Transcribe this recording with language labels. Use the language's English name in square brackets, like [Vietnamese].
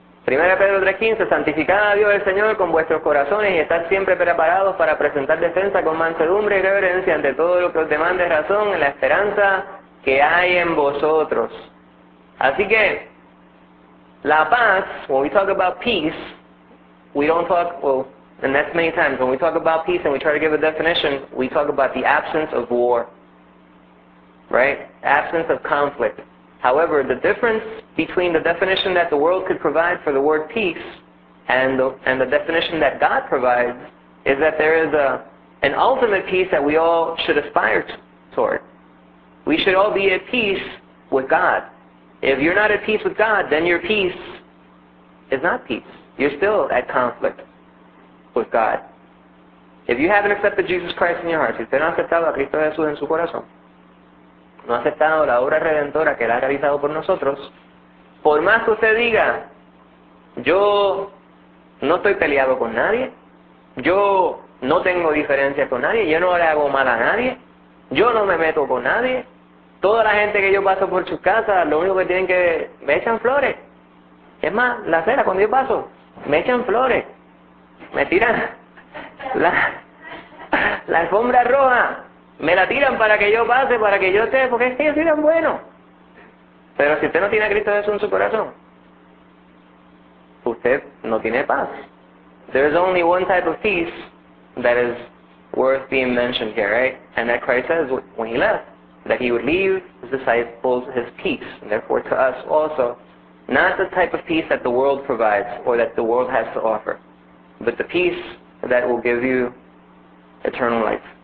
[Spanish] 1 Pedro 3:15, santificad a Dios el Señor con vuestros corazones y estad siempre preparados para presentar defensa con mansedumbre y reverencia ante todo lo que os demande razón en la esperanza que hay en vosotros. Así que, La paz, [English] when we talk about peace, we don't talk, well, and that's many times, when we talk about peace and we try to give a definition, we talk about the absence of war. Right? Absence of conflict. However, the difference between the definition that the world could provide for the word peace and the definition that God provides is that there is an ultimate peace that we all should aspire toward. We should all be at peace with God. If you're not at peace with God, then your peace is not peace. You're still at conflict with God. If you haven't accepted Jesus Christ in your heart, [Spanish] si usted no ha aceptado a Cristo Jesús en su corazón, no ha aceptado la obra redentora que Él ha realizado por nosotros, por más que usted diga, yo no estoy peleado con nadie, yo no tengo diferencia con nadie, yo no le hago mal a nadie, yo no me meto con nadie, toda la gente que yo paso por su casa, lo único que tienen que me echan flores. Es más, la acera, cuando yo paso, me echan flores. Me tiran la alfombra roja. Me la tiran para que yo pase, para que yo esté, porque es que ellos eran buenos. Pero si usted no tiene a Cristo Jesús en su corazón, usted no tiene paz. [English] There is only one type of peace that is worth being mentioned here, right? And that Christ says when he left, that he would leave his disciples his peace, and therefore to us also, not the type of peace that the world provides or that the world has to offer, but the peace that will give you eternal life.